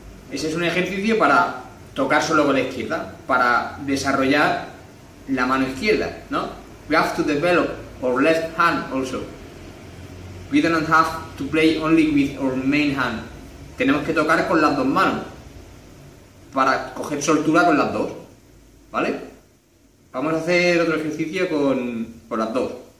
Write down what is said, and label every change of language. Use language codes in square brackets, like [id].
[es] Ese es un ejercicio para tocar solo con la izquierda, para desarrollar la mano izquierda, ¿no? [en] We have to develop our left hand also. We don't have to play only with our main hand. [es] Tenemos que tocar con las dos manos para coger soltura con las dos, ¿vale? Vamos a hacer otro ejercicio con las dos.